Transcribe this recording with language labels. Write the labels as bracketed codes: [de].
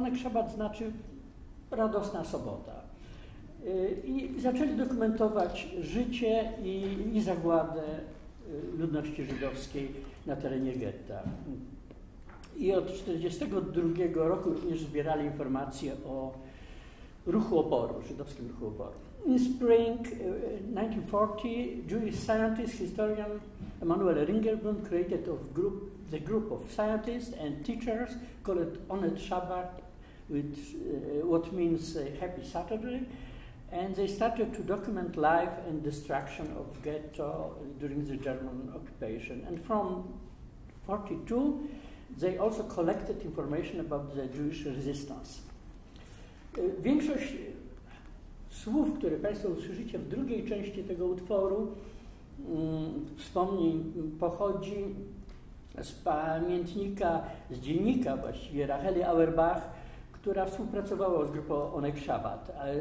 [pl] Onek Szabat znaczy radosna sobota. I zaczęli dokumentować życie i zagładę ludności żydowskiej na terenie getta. I od 1942 roku również zbierali informacje o ruchu oporu, żydowskim ruchu oporu. [en] In spring 1940, Jewish scientist, historian Emanuel Ringelblum created the group of scientists and teachers called Onet Shabbat, which what means Happy Saturday, and they started to document life and destruction of ghetto during the German occupation. And from 1942, they also collected information about the Jewish resistance. [pl] Większość słów, które Państwo usłyszycie w drugiej części tego utworu, wspomnień pochodzi z pamiętnika, z dziennika właściwie Racheli Auerbach, która współpracowała z grupą Onek Szabat.